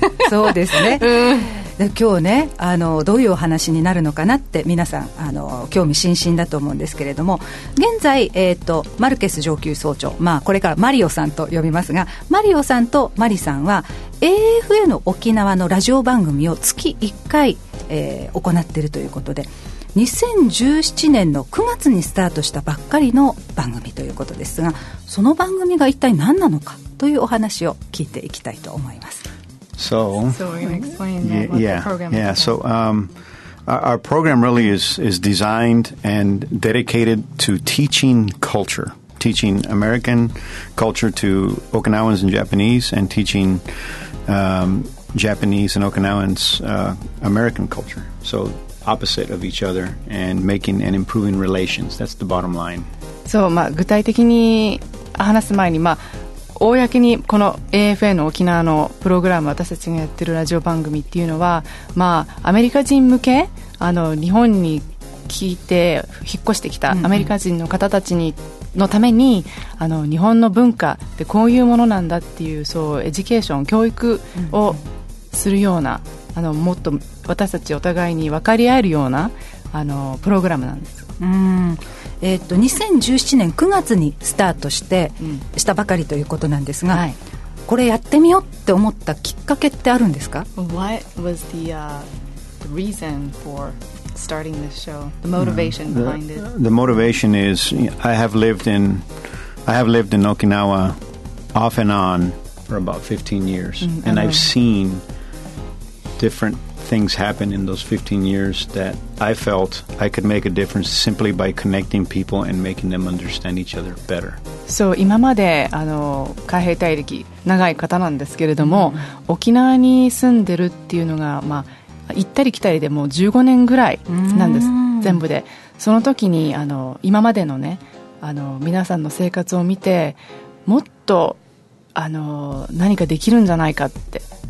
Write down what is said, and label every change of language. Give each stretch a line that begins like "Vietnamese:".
Japanese: そうですね、うん、で今日ね、どういうお話になるのかなって皆さん興味津々だと思うんですけれども、現在、マルケス上級総長、まあ、これからマリオさんと呼びますが、マリオさんとマリさんは AFA の沖縄のラジオ番組を月1回、行っているということで、2017年の9月にスタートしたばっかりの番組ということですが、その番組が一体何なのかというお話を聞いていきたいと思います。
English: So, so we can explain what the program is. Our program really is designed and dedicated to teaching culture, teaching American culture to Okinawans and Japanese, and teaching Japanese and Okinawans American culture. So opposite of each other and making and improving relations. That's the bottom line.
Japanese: So, まあ具体的に話す前に、まあ公にこの AFA の沖縄のプログラム、私たちがやってるラジオ番組っていうのは、まあ、アメリカ人向け、日本に聞いて引っ越してきたアメリカ人の方たちに、のために日本の文化ってこういうものなんだっていう、そうエデュケーション、教育をするような、もっと私たちお互いに分かり合えるようなプログラムなんです。 2017年9月にスタートして、したばかりということなんですが、はい、これやってみようって思ったきっかけってあるんですか？
English: What was the, the reason for starting this show? The motivation behind it? The motivation is I have lived in Okinawa off and on for about 15 years and I've seen different things happen in those 15 years that I felt I could make a difference simply by connecting people and making them understand each other better.
Japanese: So, 今まで海兵隊歴長い方なんですけれども、沖縄に住んでるっていうのが、まあ、行ったり来たりでもう15年ぐらいなんです、全部で。その時に今までのね、皆さんの生活を見て、もっと何かできるんじゃないかって。